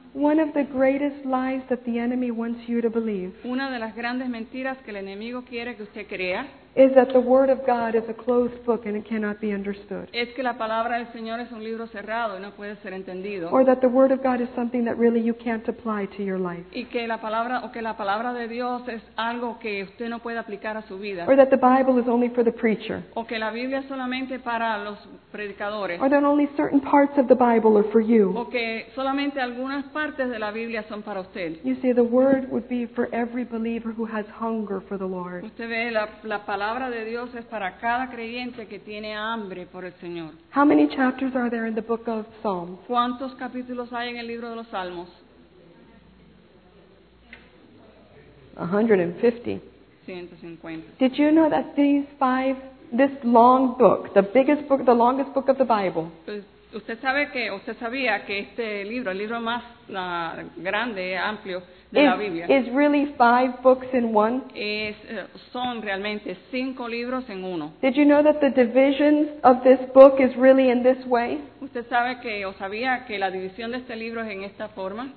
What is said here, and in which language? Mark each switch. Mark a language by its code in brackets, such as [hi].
[en] One of the greatest lies that the enemy wants you to believe. [es] Una de las grandes mentiras que el enemigo quiere que usted crea. [en] Is that the word of God is a closed book and it cannot be understood. [es] Es que la palabra del Señor es un libro cerrado y no puede ser entendido. [en] Or that the word of God is something that really you can't apply to your life. [es] Y que la palabra o que la palabra de Dios es algo que usted no puede aplicar a su vida. [en] Or that the Bible is only for the preacher. [es] O que la Biblia es solamente para los predicadores. [en] Or that only certain parts of the Bible are for you. [es] O que solamente algunas partes de la Biblia son para usted. [en] You see, the word would be for every believer who has hunger for the Lord. [es] Usted ve la palabra de Dios es para cada creyente que tiene hambre por el Señor. [en] How many chapters are there in the book of Psalms? [es] ¿Cuántos capítulos hay en el libro de los Salmos? 150. [en] Did you know that these five, this long book, the biggest book, the longest book of the Bible? [es] Usted sabe que, usted sabía que este libro, el libro más grande, amplio de la Biblia, [en] is really five books in one. [es] Es, son realmente cinco libros en uno. [en] Did you know that the division of this book is really in this way? [es] Usted sabe que, o sabía que la división de este libro es en esta forma.